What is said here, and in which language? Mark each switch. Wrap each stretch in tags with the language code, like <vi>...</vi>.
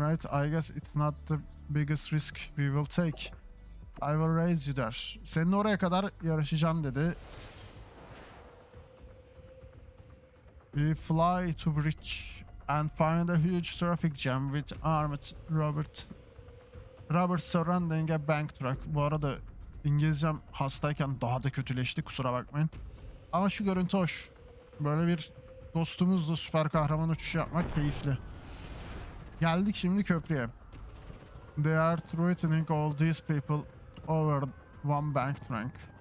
<en>Right, I guess it's not the biggest risk we will take. I will raise you there.</en> <tr>Seninle oraya kadar yarışacağım dedi.</tr> <en>We fly to bridge and find a huge traffic jam with armed Robert surrounding a bank truck.</en> <tr>Bu arada İngilizcem hastayken daha da kötüleşti, kusura bakmayın. Ama şu görüntü hoş. Böyle bir dostumuzla süper kahraman uçuşu yapmak keyifli. Geldik şimdi köprüye.</tr> <en>They are threatening all these people over one bank truck.</en>